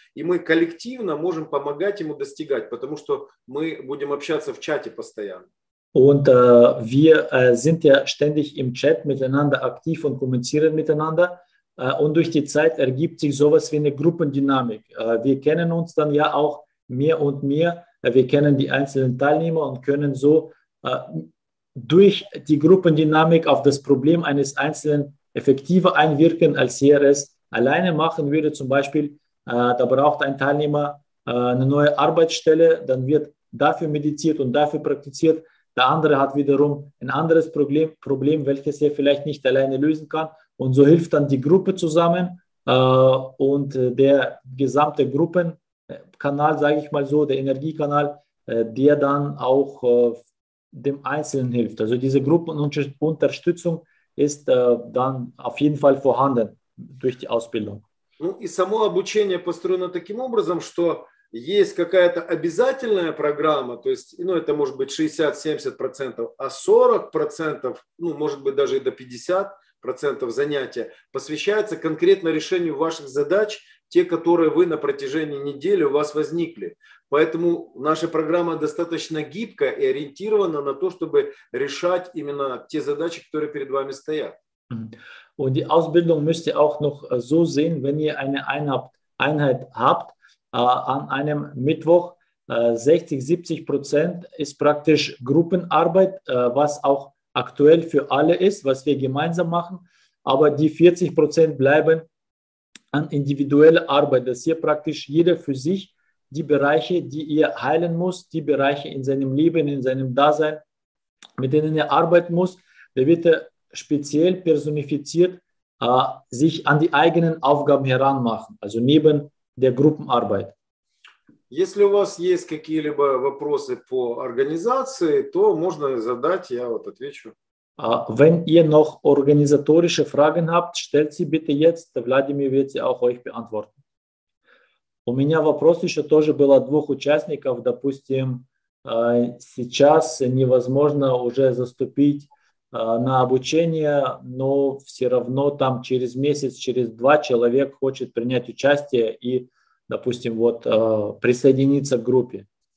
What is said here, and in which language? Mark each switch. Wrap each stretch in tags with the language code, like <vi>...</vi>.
<ru>И мы коллективно можем помогать ему достигать, потому что мы будем общаться в чате постоянно.</ru> <de>Und wir sind ja ständig im Chat miteinander aktiv und kommunizieren miteinander. Und durch die Zeit ergibt sich sowas wie eine Gruppendynamik. Wir kennen uns dann ja auch mehr und mehr. Wir kennen die einzelnen Teilnehmer und können so durch die Gruppendynamik auf das Problem eines Einzelnen effektiver einwirken, als er es alleine machen würde. Zum Beispiel, da braucht ein Teilnehmer eine neue Arbeitsstelle, dann wird dafür meditiert und dafür praktiziert. Der andere hat wiederum ein anderes Problem, welches er vielleicht nicht alleine lösen kann. Und so hilft dann die Gruppe zusammen und der gesamte Gruppenkanal, sage ich mal so, der Energiekanal, der dann auch dem Einzelnen hilft. Also diese Gruppenunterstützung ist dann auf jeden Fall vorhanden durch die Ausbildung.</de> <ru>Ну, и само обучение построено таким образом, что есть какая-то обязательная программа, то есть, ну, это может быть 60-70%, а 40%, ну, может быть, даже и до 50%, процентов занятия посвящается конкретно решению ваших задач, те, которые вы на протяжении недели у вас возникли. Поэтому наша программа достаточно гибкая и ориентирована на то, чтобы решать именно те задачи, которые перед вами стоят.</ru> <de>Und die Ausbildung müsst ihr auch noch so sehen, wenn ihr eine Einheit habt, an einem Mittwoch, 60-70% ist praktisch Gruppenarbeit, was auch aktuell für alle ist, was wir gemeinsam machen. aber die 40% bleiben an individuelle Arbeit, dass hier praktisch jeder für sich die Bereiche, die er heilen muss, die Bereiche in seinem Leben, in seinem Dasein, mit denen er arbeiten muss, der wird speziell personifiziert, sich an die eigenen Aufgaben heranmachen, also neben der Gruppenarbeit.</de> <ru>Если у вас есть какие-либо вопросы по организации, то можно задать, я вот отвечу.</ru> <de>Wenn ihr noch organisatorische Fragen habt, stellt sie bitte jetzt, Владимир wird sie auch euch beantworten.</de> <ru>У меня вопрос еще тоже был от двух участников, допустим, сейчас невозможно уже заступить на обучение, но все равно там через месяц, через два человек хочет принять участие и, допустим, вот присоединиться к группе.</ru>